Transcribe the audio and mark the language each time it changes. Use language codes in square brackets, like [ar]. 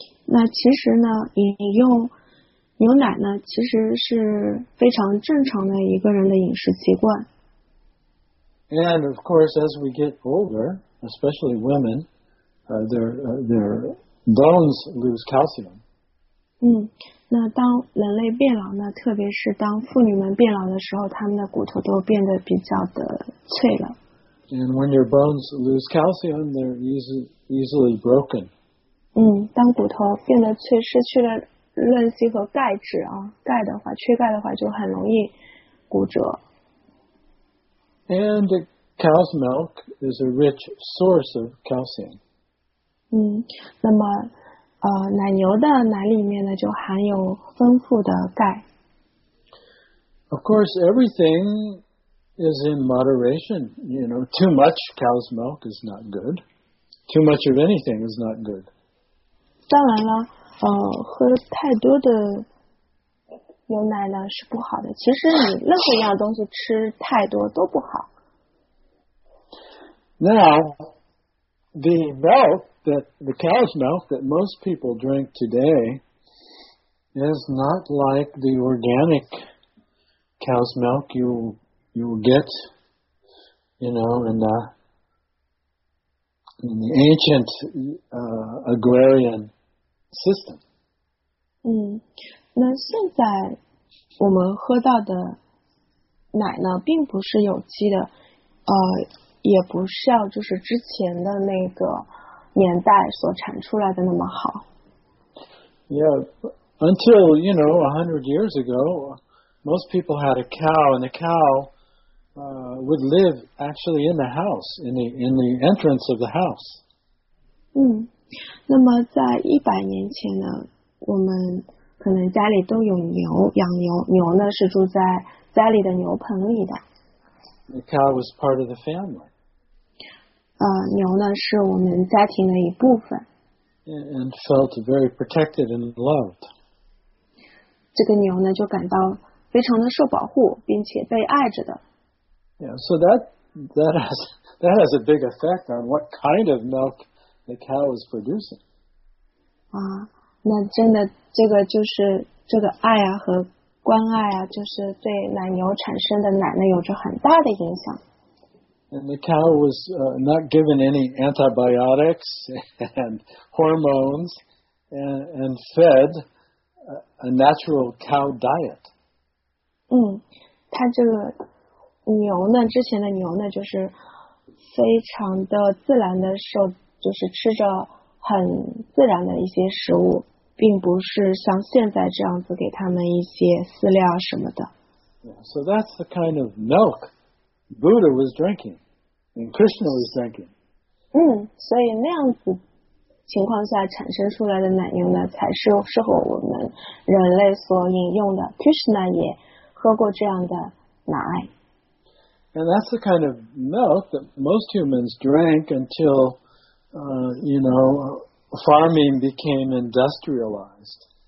[zh] 那其实呢，饮用牛奶呢，其实是非常正常的一个人的饮食习惯。 [en] And of course, as we get older, especially women, their bones lose calcium. [zh] 那当人类变老呢，特别是当妇女们变老的时候，她们的骨头都变得比较的脆了。 [en] And when your bones lose calcium, they're easily broken. [zh] 当骨头变得脆，失去了韧性和钙质啊，钙的话，缺钙的话，就很容易骨折。 [en] And cow's milk is a rich source of calcium. [zh] 那么奶牛的奶里面呢，就含有丰富的钙。 [en] Of course, everything. Is in moderation, you know. Too much cow's milk is not good. Too much of anything is not good. [zh] 当然了，喝太多的牛奶呢是不好的。其实你任何一样东西吃太多都不好。 [en] Now, the milk that the cow's milk that most people drink today is not like the organic cow's milk you get, you know, in the ancient agrarian system. [zh] 那现在我们喝到的奶呢，并不是有机的，也不像就是之前的那个年代所产出来的那么好。 [en] Yeah, until, you know, 100 years ago, most people had a cow, and the cow... would live actually in the house, in the entrance of the house. [zh] 那么在一百年前呢，我们可能家里都有牛，养牛，牛呢是住在家里的牛棚里的。 [en] The cow was part of the family. [zh] 牛呢是我们家庭的一部分。 [en] And felt very protected and loved. [zh] 这个牛呢就感到非常的受保护，并且被爱着的。 [en] Yeah, so that has a big effect on what kind of milk the cow is producing. [zh] 那真的这个就是这个爱啊和关爱啊，就是对奶牛产生的奶呢有着很大的影响。 [en] And the cow was not given any antibiotics and hormones and fed a natural cow diet. [zh] 它这个牛呢，之前的牛呢，就是非常的自然的受，就是吃着很自然的一些食物，并不是像现在这样子给他们一些饲料什么的。 [en] So that's the kind of milk Buddha was drinking, and Krishna was drinking. [zh] 所以那样子情况下产生出来的奶牛呢，才是适合我们人类所饮用的。 Krishna 也喝过这样的奶。 [en] And that's the kind of milk that most humans drank until, you know, farming became industrialized.